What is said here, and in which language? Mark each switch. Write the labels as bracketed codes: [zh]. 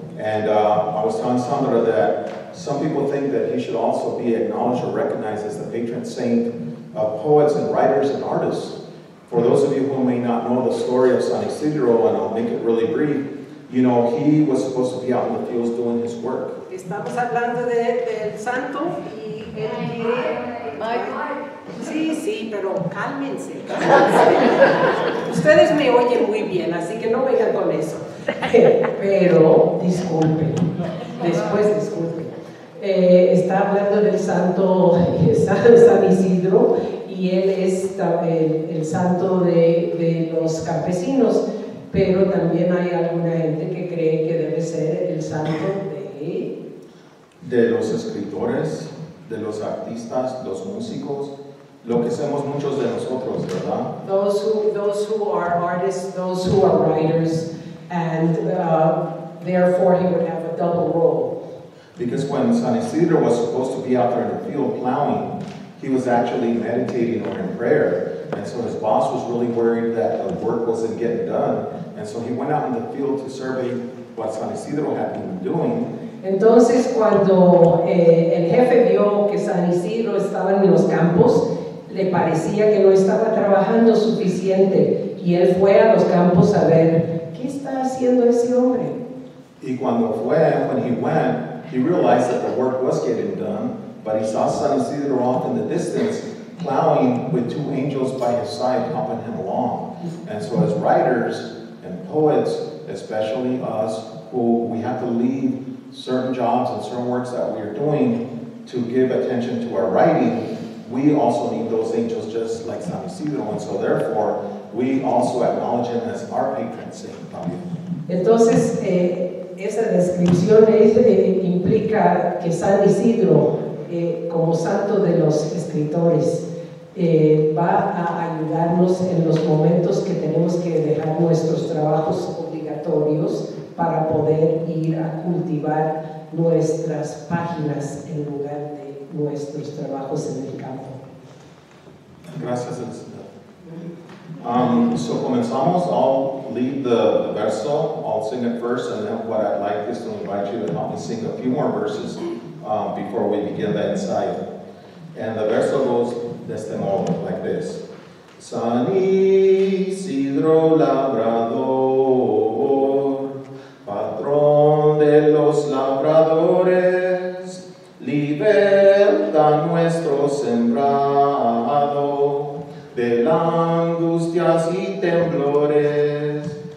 [en] And I was telling Sandra that some people think that he should also be acknowledged or recognized as the patron saint of poets and writers and artists. For those of you who may not know the story of San Isidro, and I'll make it really brief, you know, he was supposed to be out in the fields doing his work. [es] Estamos hablando de del santo y él quiere. Sí, sí, pero cálmense. Ustedes me oyen muy bien, así que no vengan con eso. Pero disculpen. Después disculpen. Está hablando del santo San Isidro y él es el santo de los campesinos. Pero también hay alguna gente que cree que debe ser el santo de los escritores, de los artistas, los músicos, lo que somos muchos de nosotros, ¿verdad? [en] Those who are artists, those who are writers, and therefore he would have a double role. Because when San Isidro was supposed to be out there in the field plowing, he was actually meditating or in prayer. And so his boss was really worried that the work wasn't getting done. And so he went out in the field to survey what San Isidro had been doing. [es] Entonces cuando el jefe vio que San Isidro estaba en los campos, le parecía que no estaba trabajando suficiente. Y él fue a los campos a ver, ¿qué está haciendo ese hombre? Y cuando fue, [en] when he went, he realized that the work was getting done. But he saw San Isidro off in the distance, plowing with two angels by his side, helping him along. And so as writers and poets, especially us, who we have to leave certain jobs and certain works that we are doing to give attention to our writing, we also need those angels just like San Isidro. And so therefore, we also acknowledge him as our patron saint. [es] Entonces, esa descripción implica que San Isidro, como santo de los escritores, va a ayudarnos en los momentos que tenemos que dejar nuestros trabajos obligatorios para poder ir a cultivar nuestras páginas en lugar de nuestros trabajos en el campo. Gracias, Elizabeth. So comenzamos. [en] I'll lead the verso. I'll sing it first, and then what I'd like is to invite you to help me sing a few more verses before we begin the insight. And the verso goes [es] de este modo, [en] like this. [es] San Isidro Labrador, patrón de los labradores, liberta nuestro sembrado de angustias y temblores.